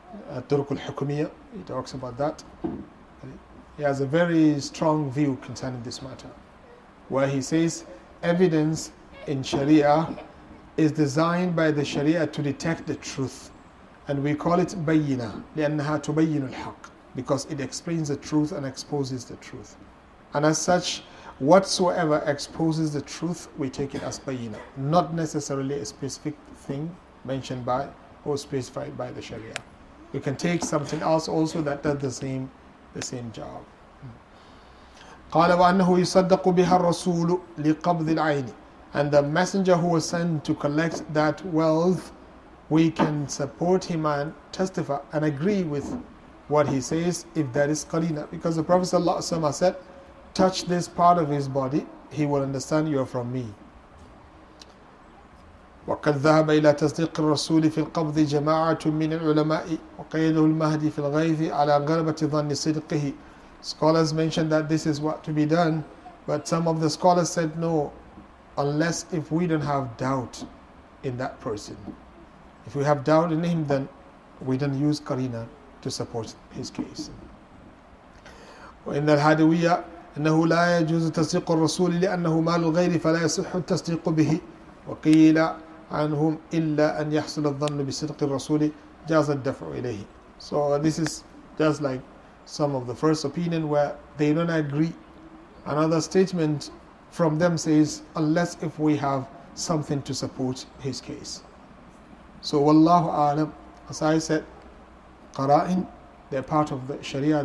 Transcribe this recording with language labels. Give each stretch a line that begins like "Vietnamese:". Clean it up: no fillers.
English: At-Turuq al-Hukumiyya, he talks about that. He has a very strong view concerning this matter, where he says evidence in Sharia is designed by the Sharia to detect the truth, and we call it bayina,
Arabic: لأنها تبين الحق,
English: because it explains the truth and exposes the truth. And as such, whatsoever exposes the truth, we take it as bayina, not necessarily a specific thing mentioned by or specified by the Sharia. We can take something else also that does the same job.
Arabic: قال وأنه يصدق بها الرسول لقبض العين.
English: And the messenger who was sent to collect that wealth, we can support him and testify and agree with what he says, if that is qalina. Because the Prophet ﷺ said, touch this part of his body, he will understand you are from me.
Arabic: وقد ذهب إلى تصديق الرسول في القبض جماعة من العلماء وقيده المهدي في الغيث على غلبة ظن صدقه.
English: Scholars mentioned that this is what to be done, but some of the scholars said no, unless if we don't have doubt in that person. If we have doubt in him, then we don't use Karina to support his case.
Arabic: وإن الهادوية أنه لا يجوز تصديق الرسول لأنه مال الغير فلا يصح التصديق به وقيل عنهم إلا أن يحصل الظن بصدق الرسول جاز الدفع إليه.
English: So this is just like some of the first opinion where they don't agree. Another statement from them says, unless if we have something to support his case. So wallahu alam, as I said, qara'in, they're part of the sharia.